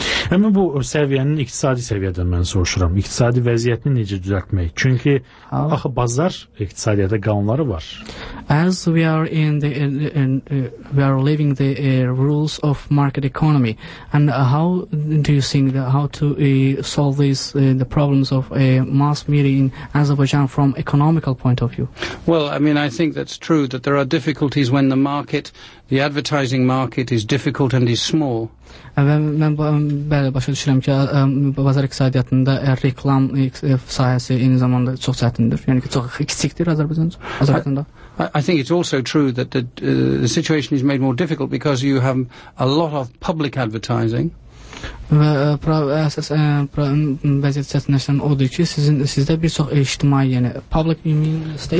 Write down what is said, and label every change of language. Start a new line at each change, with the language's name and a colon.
Azerbaijani: Həmin bu səviyyənin iqtisadi səviyyədən mən soruşuram. İqtisadi vəziyyətini necə düzəltmək? Çünki axı bazar iqtisadiyyatı qanunları var.
English: As we are in the we are living the rules of market economy, and how do you think that how to solve this the problems of a mass media in Azerbaijan from economical point of view? Well, I mean, I think that's true that there are difficulties when the market, the advertising market, is difficult and is small.
Azerbaijani: Mən bəli başa düşürəm ki, bazar iqtisadiyyatında reklam sahəsi eyni zamanda çox çətindir. Yəni ki, çox kiçikdir Azərbaycanda.
English: I think it's also true that the situation is made more difficult because you have a lot of public advertising.
Azerbaijani: Və əsas vəziyyət çətinləşən odur ki, sizdə bir çox ictimai, yəni public,
English: you mean state?